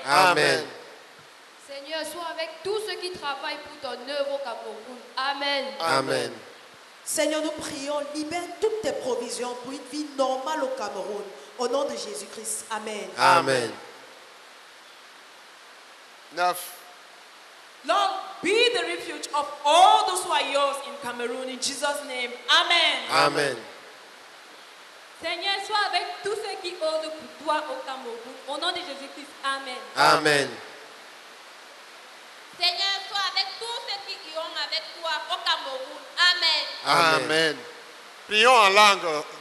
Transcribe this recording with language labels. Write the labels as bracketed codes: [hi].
[fr] Amen. Seigneur, sois avec tous ceux qui travaillent pour ton œuvre au Cameroun. Amen. Amen. Seigneur, nous prions, libère toutes tes provisions pour une vie normale au Cameroun, au nom de Jésus-Christ. Amen. Amen. 9. [en] Lord, be the refuge of all those who are yours in Cameroon, in Jesus' name. Amen. Amen. [fr] Seigneur, sois avec tous ceux qui osent pour toi au Cameroun. Au nom de Jésus-Christ, amen. Amen. Seigneur, sois avec tous ceux qui iront avec toi au Cameroun. Amen. Prions en langue.